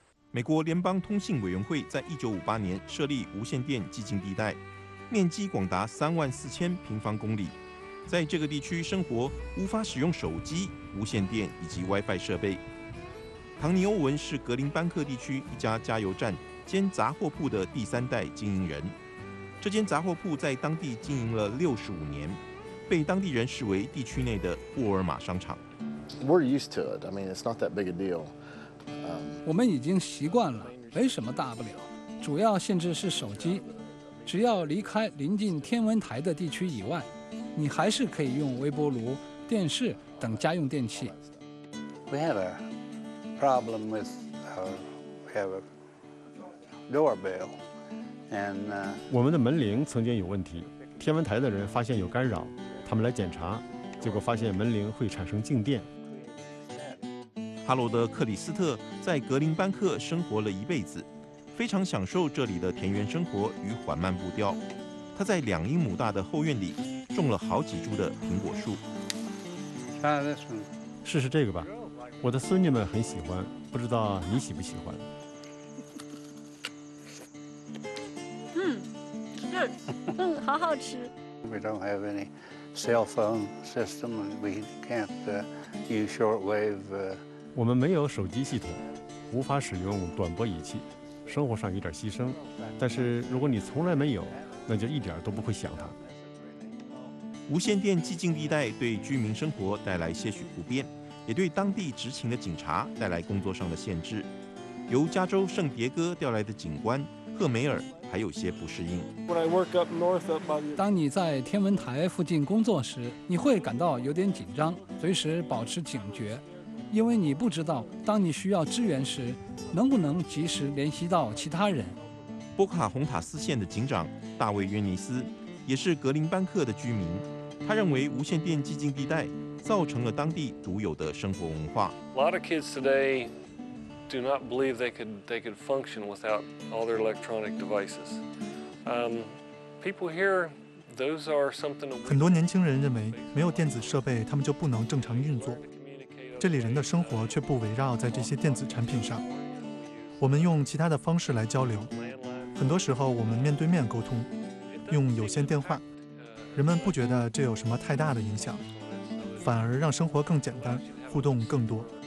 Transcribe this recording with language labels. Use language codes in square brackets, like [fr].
[zh] 美国联邦通信委员会在1958年设立无线电寂静地带，面积广达34000平方公里，在这个地区生活无法使用手机、无线电以及 WiFi 设备。唐尼·欧文是格林班克地区一家加油站兼杂货铺的第三代经营人，这间杂货铺在当地经营了65年，被当地人视为地区内的沃尔玛商场。 [en] We're used to it. I mean, it's not that big a deal. [zh] 我们已经习惯了，没什么大不了。主要限制是手机。只要离开临近天文台的地区以外，你还是可以用微波炉、电视等家用电器。 [en] We have a problem with we have a doorbell, and [zh] 我们的门铃曾经有问题。天文台的人发现有干扰，他们来检查，结果发现门铃会产生静电。哈罗德·克里斯特在格林班克生活了一辈子。非常享受这里的田园生活与缓慢步调。他在2英亩大的后院里种了好几株的苹果树。试试这个吧，我的孙女们很喜欢，不知道你喜不喜欢。好好吃。 [en] We don't have any cell phone system. We can't use shortwave. [zh] 我们没有手机系统，无法使用短波仪器。生活上有点牺牲，但是如果你从来没有，那就一点都不会想它。无线电寂静地带对居民生活带来些许不便，也对当地执勤的警察带来工作上的限制。由加州圣迭戈调来的警官赫梅尔还有些不适应。当你在天文台附近工作时，你会感到有点紧张，随时保持警觉。因为你不知道当你需要支援时能不能及时联系到其他人。波卡洪塔斯县的警长大卫·约尼斯也是格林班克的居民，他认为无线电寂静地带造成了当地独有的生活文化。 [en] A lot of kids today do not believe they could function without all their electronic devices. People here, those are something. [zh] 很多年轻人认为没有电子设备他们就不能正常运作，这里人的生活却不围绕在这些电子产品上，我们用其他的方式来交流。很多时候我们面对面沟通，用有线电话，人们不觉得这有什么太大的影响，反而让生活更简单，互动更多。